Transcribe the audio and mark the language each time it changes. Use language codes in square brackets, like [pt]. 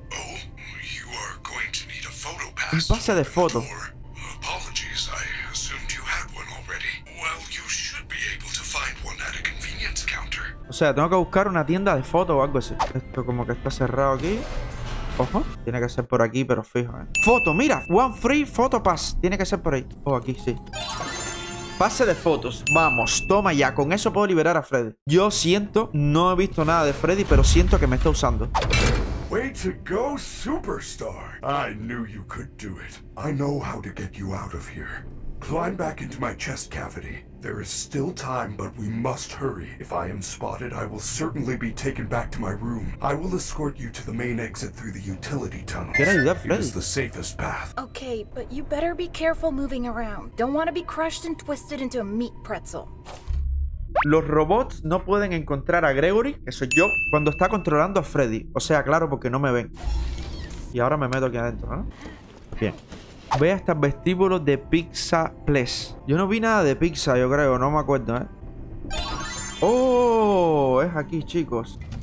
[en] Oh, you are going to need a photo pass. [es] Un pase de foto. [en] Apologies, I assumed you had one already. Well, you should be able to find one at a convenience counter. [es] O sea, tengo que buscar una tienda de foto o algo así. Esto como que está cerrado aquí. Ojo. Tiene que ser por aquí, pero fijo, ¿eh? ¡Foto! ¡Mira! [en] One free photo pass. [es] Tiene que ser por ahí. Oh, aquí, sí. Pase de fotos. Vamos, toma ya. Con eso puedo liberar a Freddy. Yo siento, no he visto nada de Freddy, pero siento que me está usando. [en] Way to go, superstar. I knew you could do it. I know how to get you out of here. Climb back into my chest cavity. There is still time, but we must hurry. If I am spotted, I will certainly be taken back to my room. I will escort you to the main exit through the utility tunnels. Get out of it is the safest path. Okay, but you better be careful moving around. Don't want to be crushed and twisted into a meat pretzel. [es] Los robots no pueden encontrar a Gregory, que soy yo, cuando está controlando a Freddy. O sea, claro, porque no me ven. Y ahora me meto aquí adentro, ¿no? Bien. Ve hasta el vestíbulo de Pizza Place. Yo no vi nada de pizza, yo creo. No me acuerdo, ¿eh? ¡Oh! Es aquí, chicos.